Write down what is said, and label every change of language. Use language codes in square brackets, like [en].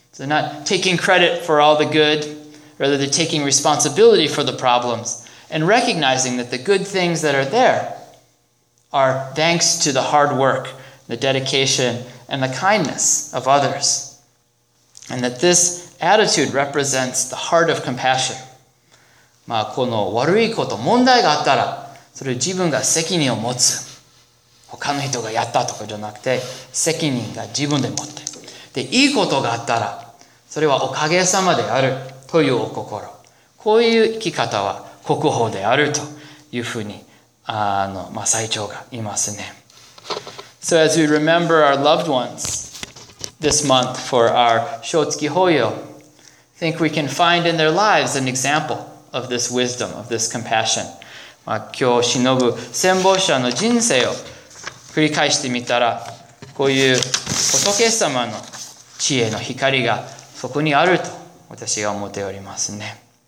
[en] So they're not taking credit for all the good, rather they're taking responsibility for the problems and recognizing that the good things that are there are thanks to the hard work, the dedication, and the kindness of others. And that this attitude represents the heart of compassion. [ja] まあこの悪いこと、問題があったら、それ自分が責任を持つ。他の人がやったとかじゃなくて、責任が自分で持って。で、いいことがあったら、それはおかげさまであるというお心。こういう生き方は国宝であるというふうに、まあ最長が言いますね。 [en] So as we remember our loved ones,this month for our Shotsuki Hoyo, I think we can find in their lives an example of this wisdom, of this compassion. [ja] まあ、今日しのぶ戦没者の人生を繰り返してみたら、こういう仏様の知恵の光がそこにあると私は思っておりますね。